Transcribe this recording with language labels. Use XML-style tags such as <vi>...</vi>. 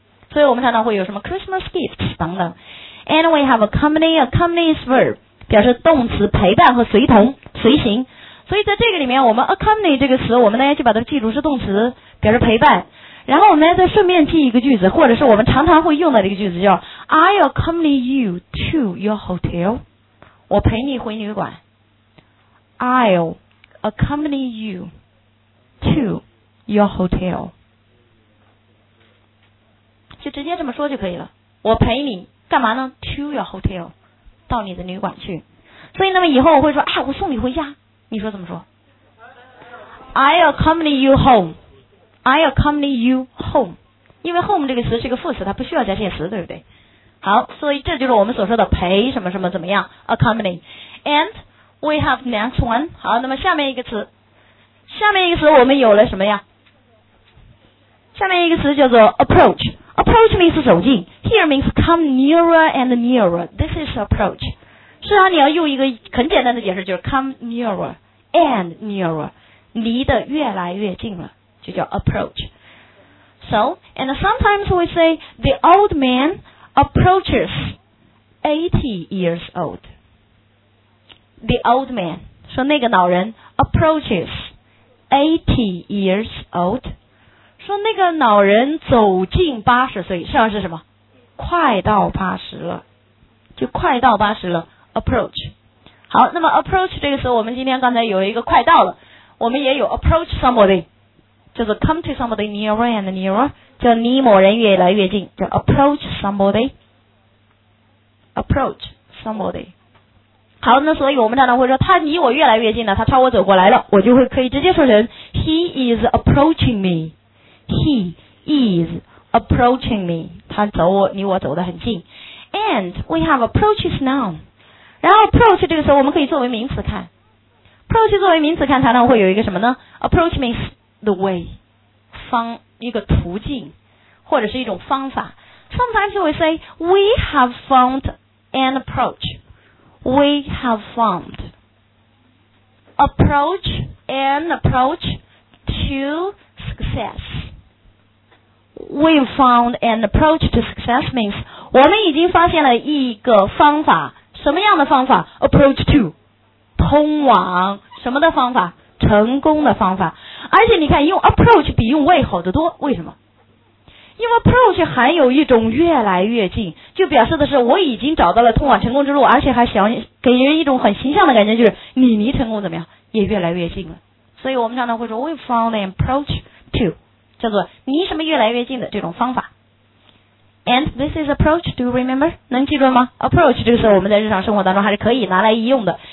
<zh>所以我们常常会有什么 Christmas gifts 等等。</zh> <en>And we have a company is verb，</en> <zh>表示动词陪伴和随同随行。所以在这个里面，我们 accompany 这个词，我们大家就把它记住是动词，表示陪伴。然后我们再顺便记一个句子，或者是我们常常会用到的一个句子，叫</zh> <en>I accompany you to your hotel，</en> <zh>我陪你回旅馆。</zh> <en>I'll accompany you to your hotel，</en> <zh>就直接这么说就可以了。我陪你干嘛呢 ？</zh> <en>To your hotel，</en> <zh>到你的旅馆去。所以，那么以后我会说啊，我送你回家。你说怎么说 ？</zh> <en>I accompany you home。 I accompany you home。</en> <zh>因为 home 这个词是个副词，它不需要加介词，对不对？好，所以这就是我们所说的陪什么什么怎么样 ，accompany。</zh> <en>And we have next one。</en> <zh>好，那么下面一个词我们有了什么呀？下面一个词叫做 approach。</zh> <en>Approach means 走近 ，here means come nearer and nearer. This is approach.</en> <zh>实际上你要用一个很简单的解释，就是</zh> <en>come nearer and nearer，</en> <zh>离得越来越近了，就叫 approach.</zh> <en>So and sometimes we say the old man approaches 80 years old. The old man</en> <zh>说那个老人</zh> <en>approaches 80 years old.</en> <zh>说那个老人走近80岁，实际上是什么？快到80了，就快到80了。Approach。好，那么 approach 这个词，我们今天刚才有一个快到了，我们也有 approach somebody， 就是</zh> <en>come to somebody nearer and nearer，</en> <zh>叫离某人越来越近，叫 approach somebody。</zh> <en>Approach somebody。</en> <zh>好，那所以我们常常会说他离我越来越近了，他朝我走过来了，我就会可以直接说成</zh> <en>He is approaching me。 He is approaching me.</en> <zh>他走我，离我走得很近。</zh> <en>And we have approaches noun.</en> <zh>然后 approach 这个时候我们可以作为名词看。Approach 作为名词看，常常会有一个什么呢 ？</zh> <en>Approach means the way，</en> <zh>方一个途径，或者是一种方法。</zh> <en>Sometimes we say we have found an approach. We have found approach an approach to success. We've found an approach to success means</en> <zh>我们已经发现了一个方法，什么样的方法 ？Approach to 通往什么的方法？成功的方法。而且你看，用 approach 比用 way 好得多。为什么？因为 approach 含有一种越来越近，就表示的是我已经找到了通往成功之路，而且还想给人一种很形象的感觉，就是你离成功怎么样也越来越近了。所以我们常常会说</zh> <en>We've found an approach to。</en> <zh>叫做离什么越来越近的这种方法。</zh> <en>And this is approach, do you remember?</en> <zh>能记住吗？ Approach 这个词我们在日常生活当中还是可以拿来一用的。</zh>